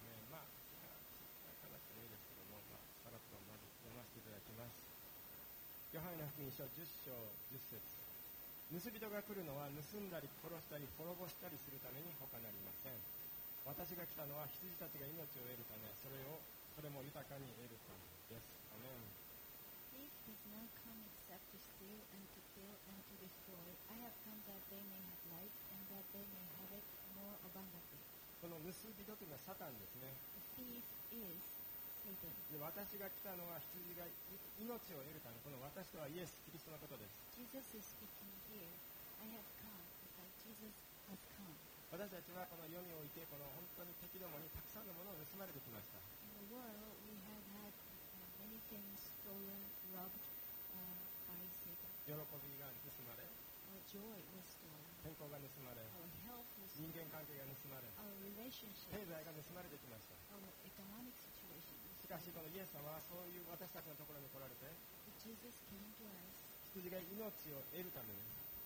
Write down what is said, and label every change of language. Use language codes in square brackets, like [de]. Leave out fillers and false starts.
[ja] まあ、書かなくてもいいですけども、まあ、さらっとまず読ませていただきます。ヨハネ福音書10章10節、盗人が来るのは盗んだり殺したり滅ぼしたりするために他なりません。私が来たのは羊たちが命を得るため、それも豊かに得るためです。アメン。 [en] Does not come except to steal and to kill and to destroy. I have come that they may have life and that they may have it more abundantly. [ja] この盗人というのはサタンですね。 [en] The thief is Satan. [ja] で、私が来たのは羊が命を得るため。この私とはイエス・キリストのことです。 [en] Jesus is speaking here. I have come because Jesus has come. [ja] 私たちはこの世においてこの本当に敵どもにたくさんのものを盗まれてきました。 [en] In the world, we have had many things stolen. [ja] 喜びが盗まれ、健康が盗まれ、人間関係が盗まれ、経済が盗まれてきました。しかしこのイエス様はそういう私たちのところに来られて、羊が命を得るためです。